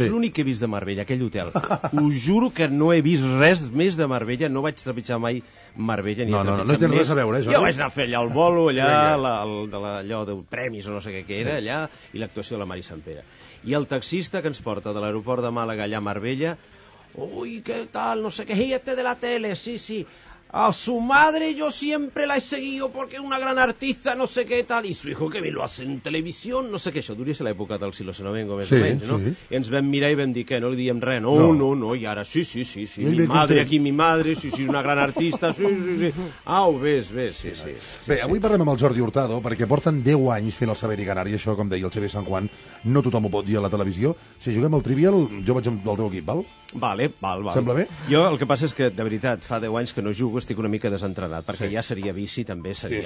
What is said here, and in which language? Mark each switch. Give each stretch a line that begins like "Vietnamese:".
Catalan: És l'únic que he vist de Marbella, aquell hotel. Ho juro que no he vist res més de Marbella, no vaig trepitjar mai Marbella. Ni no tens res a veure, Jordi. Jo vaig anar a fer allà el bolo, allà, allò de premis o no sé què era, allà, i l'actuació de la Mari Sant Pere. I el taxista que ens porta de l'aeroport de Màlaga allà a Marbella, ui, què tal, no sé què, hey,
Spanish: este de la tele,
Catalan: sí.
Spanish: A su madre yo siempre la he seguido porque es una gran artista, no sé qué tal, y su hijo que me lo hace en televisión, no sé qué,
Catalan: això duria ser l'època del Silo Senovengo, més o menys,
Spanish: no?
Catalan: Sí. I ens vam mirar i vam dir, que no li diem res, no, i ara sí,
Spanish: mi madre aquí, mi madre, sí, una gran artista, sí.
Catalan: Au, bé, sí. Bé, avui parlem amb el Jordi Hurtado, perquè porten 10 anys fent el Saber i Ganar, i això, com deia el Xavier Sant Juan, no tothom ho pot dir a la televisió. Si juguem al Trivial, jo vaig amb el teu equip, val? Vale. Sembla bé? Jo el que passa és que, de veritat, fa 10 anys que no jugo, estic una mica desentrenat, perquè ja seria vici, també seria...